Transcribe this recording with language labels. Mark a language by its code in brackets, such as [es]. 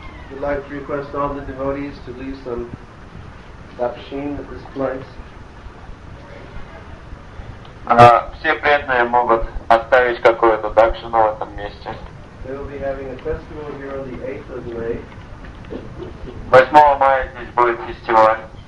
[en] We'd like to request all the devotees to leave some dakshin at this place. [ru] Все преданные могут оставить какую-то дакшину в этом месте. [en] They will be having a festival here on the 8th of May. [ru] 8 мая здесь будет фестиваль.